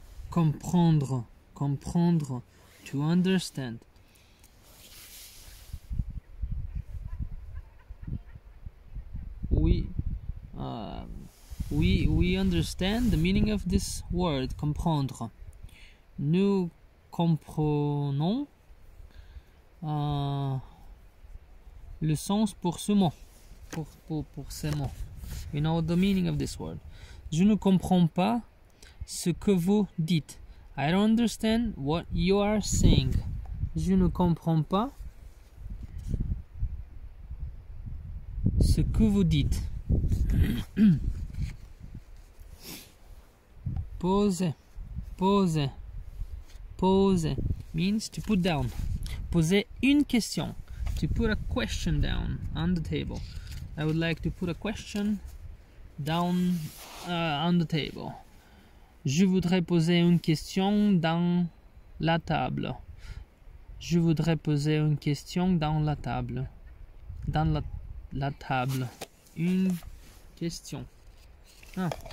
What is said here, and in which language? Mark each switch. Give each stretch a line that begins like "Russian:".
French: Comprendre, comprendre,
English: to understand. We understand the meaning of this word, comprendre.
French: Nous comprenons le sens pour ce mot, pour ces mots.
English: You know the meaning of this word.
French: Je ne comprends pas ce que vous dites.
English: I don't understand what you are saying.
French: Je ne comprends pas ce que vous dites.
English: Pose. Pose. Pose means to put down.
French: Poser une question.
English: To put a question down on the table. I would like to put a question down on the table.
French: Je voudrais poser une question dans la table. Je voudrais poser une question dans la table. Dans la table. Une question. Ah.